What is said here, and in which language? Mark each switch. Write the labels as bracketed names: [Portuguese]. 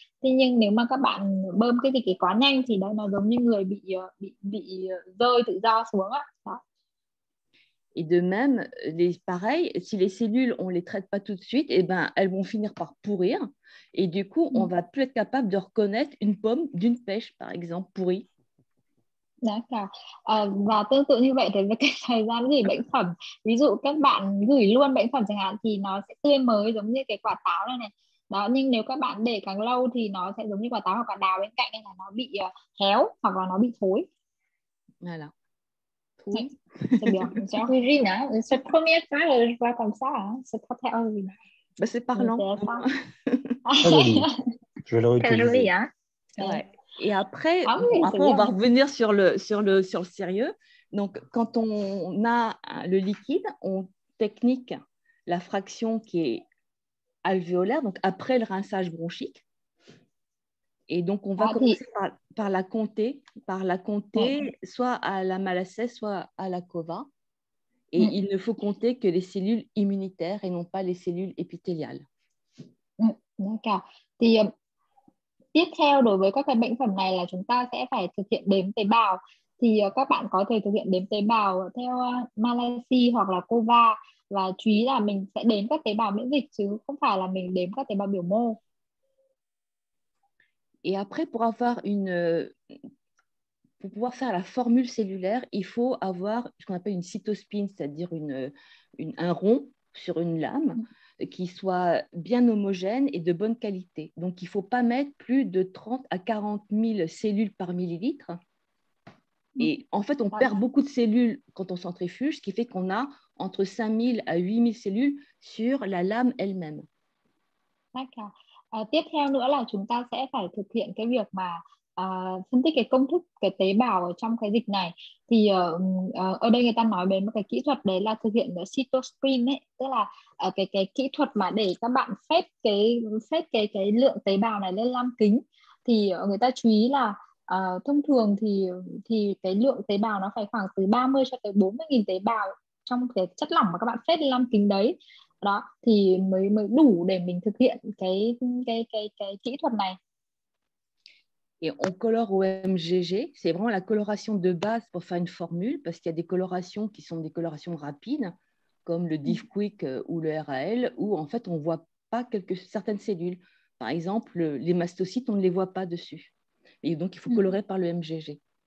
[Vietnamese] Thế nhưng nếu mà các bạn bơm cái dịch ấy quá nhanh thì đây nó giống như người bị rơi tự do xuống á. [French] Et de même, pareil, si les cellules, on ne les traite pas tout de suite, eh ben, elles vont finir par pourrir. Et du coup, on ne va plus être capable de reconnaître une pomme d'une pêche, par exemple, pourrie. D'accord. [Vietnamese] Và tương tự như vậy, thì về cái thời gian gửi bệnh phẩm, ví dụ các bạn gửi luôn bệnh phẩm chẳng hạn, thì nó sẽ tươi mới giống như cái quả táo này này. Đó, nhưng nếu các bạn để càng lâu thì nó sẽ giống như quả táo hoặc quả đào bên cạnh, nên là nó bị héo hoặc là nó bị thối. [French] Voilà. C'est bien, c'est original. C'est la première fois que je vois comme ça. C'est pas très original. Bah, c'est parlant. C'est très joli. Je vais le réutiliser. Très joli, hein? Ouais. Et après, on va revenir sur le sérieux. Donc, quand on a le liquide, on technique la fraction qui est alvéolaire, donc après le rinçage bronchique. Et donc, on va commencer par la compter, soit à la malassez, soit à la cova. Et il ne faut compter que les cellules immunitaires et non pas les cellules épithéliales. D'accord. [Vietnamese] Thì, tiếp theo, đối với các cái bệnh phẩm này là chúng ta sẽ phải thực hiện đếm tế bào. Thì các bạn có thể thực hiện đếm tế bào theo malassez hoặc là cova. là chú ý là mình sẽ đếm các tế bào miễn dịch chứ không phải là mình đếm các tế bào biểu mô. [French] Et après, pour avoir une, pour pouvoir faire la formule cellulaire, il faut avoir ce qu'on appelle une cytospine, c'est-à-dire un rond sur une lame qui soit bien homogène et de bonne qualité. Donc, il ne faut pas mettre plus de 30 à 40 000 cellules par millilitre. Et en fait, on perd beaucoup de cellules quand on centrifuge, ce qui fait qu'on a entre 5 000 à 8 000 cellules sur la lame elle-même. D'accord. [Vietnamese] Tiếp theo nữa là chúng ta sẽ phải thực hiện cái việc mà phân tích cái công thức cái tế bào ở trong cái dịch này. Thì ở đây người ta nói đến một cái kỹ thuật đấy là thực hiện cytospin ấy, tức là cái kỹ thuật mà để các bạn phép cái lượng tế bào này lên lam kính. Thì người ta chú ý là thông thường thì cái lượng tế bào nó phải khoảng từ 30 cho tới 40.000 tế bào trong cái chất lỏng mà các bạn phép lên lam kính đấy. Đó, thì mới đủ để mình thực hiện cái kỹ thuật này. [French] Et on colore au MGG, c'est vraiment la coloration de base pour faire une formule, parce qu'il y a des colorations qui sont des colorations rapides, comme le DiffQuick ou le RAL, où en fait on ne voit pas certaines cellules. Par exemple, les mastocytes, on ne les voit pas dessus. Et donc il faut colorer par le MGG.